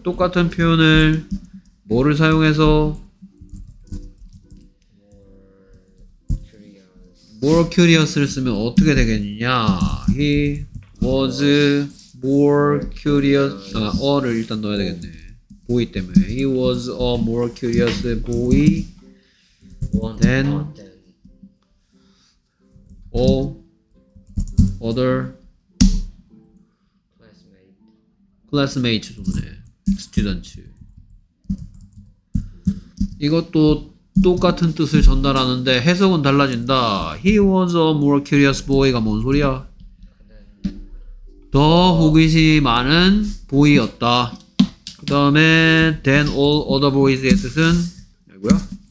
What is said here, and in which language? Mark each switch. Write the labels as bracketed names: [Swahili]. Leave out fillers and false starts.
[Korean] 똑같은 표현을 뭐를 사용해서 [English] More curious [Korean] 를 쓰면 어떻게 되겠느냐. [English] He was more curious. [Korean] 아, a를 일단 넣어야 되겠네. boy 때문에. [English] He was a more curious boy than all other classmates. [Korean] 좋네. students. 이것도 똑같은 뜻을 전달하는데 해석은 달라진다. [English] He was a more curious boy [Korean] 가 뭔 소리야? 더 호기심이 많은 boy였다. 그 다음에 [English] than all other boys [Korean] 의 뜻은 뭐야?